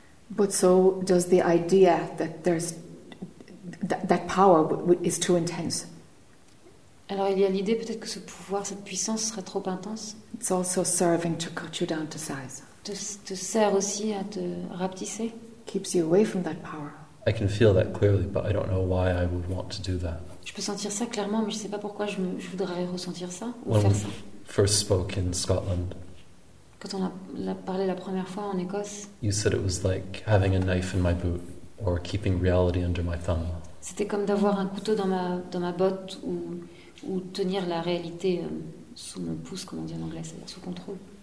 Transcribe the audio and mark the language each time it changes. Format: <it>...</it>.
<en>But so does the idea that there's that power is too intense.</en> <fr>Alors il y a l'idée peut-être que ce pouvoir, cette puissance serait trop intense.</fr> <en>It's also serving to cut you down to size.</en> <fr>Te sert aussi à te rapetisser.</fr> <en>Keeps you away from that power. I can feel that clearly, but I don't know why I would want to do that.</en> <fr>Je peux sentir ça clairement, mais je sais pas pourquoi je voudrais ressentir ça ou faire ça.</fr> <en>When we first spoke in Scotland.</en> <fr>Quand on a parlé la première fois en Écosse.</fr> <en>You said it was like having a knife in my boot or keeping reality under my thumb.</en> <fr>C'était comme d'avoir un couteau dans ma botte ou tenir la réalité sous mon pouce, comme on dit en anglais, c'est-à-dire sous contrôle.</fr>